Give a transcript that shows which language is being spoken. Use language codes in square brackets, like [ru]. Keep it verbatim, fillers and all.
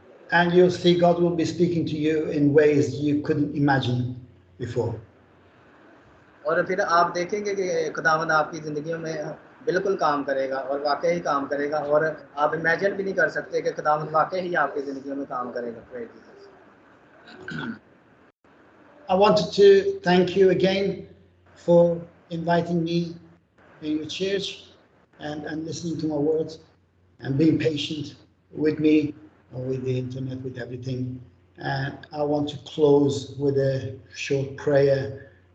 [en] And you'll see God will be speaking to you in ways you couldn't imagine before. [ur] اور پھر آپ دیکھیں گے کہ خداوند آپ کی زندگیوں میں بالکل کام کرے گا اور واقعی کام کرے گا اور آپ امیجن بھی نہیں کر سکتے کہ خداوند واقعی آپ کی زندگیوں میں کام کرے گا. [en] I wanted to thank you again for inviting me in your church and, and listening to my words and being patient with me with the internet, with everything. And I want to close with a short prayer.